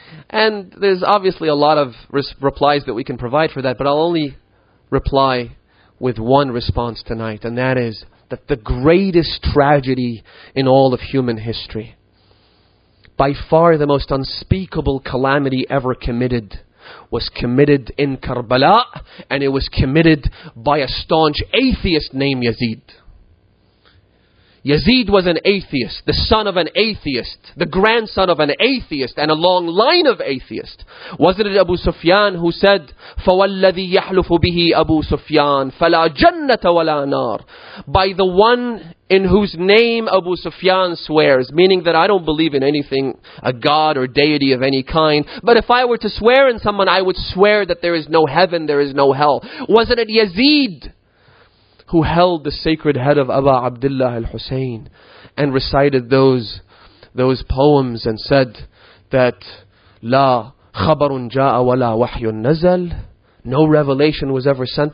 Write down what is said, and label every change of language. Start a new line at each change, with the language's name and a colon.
English: And there's obviously a lot of replies that we can provide for that, but I'll only reply with one response tonight, and that is that the greatest tragedy in all of human history, by far the most unspeakable calamity ever committed, was committed in Karbala, and it was committed by a staunch atheist named Yazid. Yazid was an atheist, the son of an atheist, the grandson of an atheist, and a long line of atheists. Wasn't it Abu Sufyan who said,
Arabic: فَوَالَّذِي يَحْلُفُ بِهِ أَبُو سُفْيَانَ فَلَا جَنَّةَ وَلَا نَارٍ.
English: By the one in whose name Abu Sufyan swears, meaning that I don't believe in anything, a god or deity of any kind, but if I were to swear in someone, I would swear that there is no heaven, there is no hell. Wasn't it Yazid who held the sacred head of Aba Abdullah al-Husayn and recited those poems and said that
Arabic: La khabarun ja'a wa la wahyun nazal,
English: no revelation was ever sent.